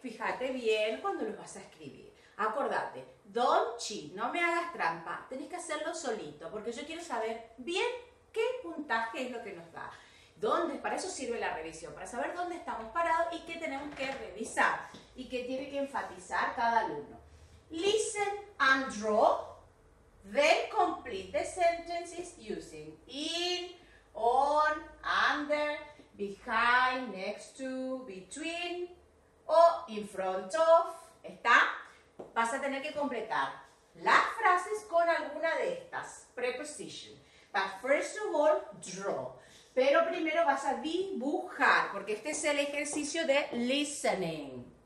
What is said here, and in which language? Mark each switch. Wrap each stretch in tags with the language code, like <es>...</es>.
<es>Fíjate bien cuando lo vas a escribir. Acordate,</es> <en>don't cheat,</en> <es>no me hagas trampa. Tenés que hacerlo solito porque yo quiero saber bien qué puntaje es lo que nos da. ¿Dónde? Para eso sirve la revisión, para saber dónde estamos parados y qué tenemos que revisar y qué tiene que enfatizar cada alumno.</es> <en>Listen and draw, then complete the sentences using in, on, under, behind, next to, between o in front of.</en> <es>¿Está? Vas a tener que completar las frases con alguna de estas preposition.</es> <en>But first of all, draw.</en> <es>Pero primero vas a dibujar, porque este es el ejercicio de listening.</es>